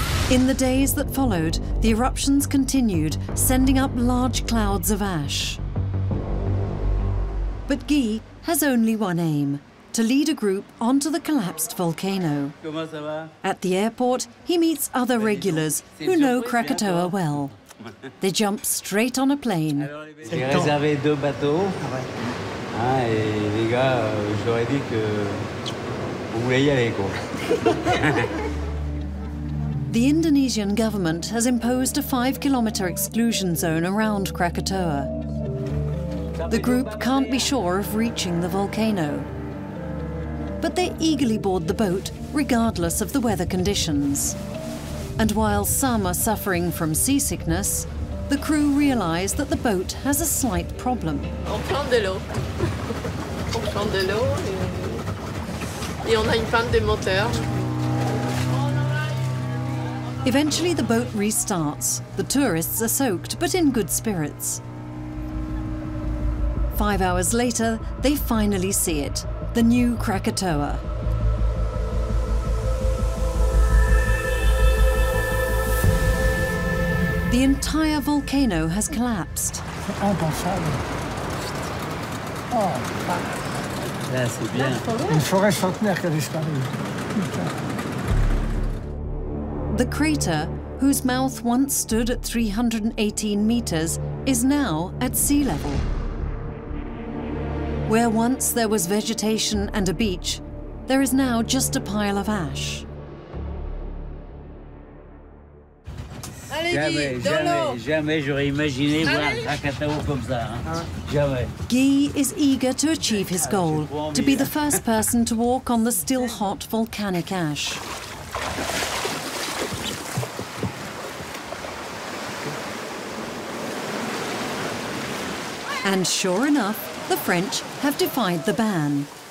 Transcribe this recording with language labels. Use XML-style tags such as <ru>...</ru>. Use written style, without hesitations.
<en>In the days that followed, the eruptions continued, sending up large clouds of ash. But Guy has only one aim, to lead a group onto the collapsed volcano. At the airport, he meets other regulars who know Krakatoa well. They jump straight on a plane.</en> <fr>J'ai réservé deux bateaux. Ah, et les gars, j'aurais dit que vous voulez y aller, quoi.</fr> <en>The Indonesian government has imposed a 5-kilometer exclusion zone around Krakatoa. The group can't be sure of reaching the volcano. But they eagerly board the boat, regardless of the weather conditions. And while some are suffering from seasickness, the crew realize that the boat has a slight problem.</en> <fr>On prend de l'eau. On prend de l'eau. Et on a une panne de moteur.</fr> <en>Eventually, the boat restarts. The tourists are soaked, but in good spirits. 5 hours later, they finally see it, the new Krakatoa. The entire volcano has collapsed.</en> <fr>C'est impensable. Oh, là, c'est bien. Une forêt centenaire qui a disparu.</fr> <en>The crater, whose mouth once stood at 318 meters, is now at sea level. Where once there was vegetation and a beach, there is now just a pile of ash.</en> <fr>Jamais j'aurais imaginé voir un Krakatoa comme ça. Hein? Jamais.</fr> <en>Guy is eager to achieve his goal, to be the first person to walk on the still hot volcanic ash. And sure enough, the French have defied the ban.</en>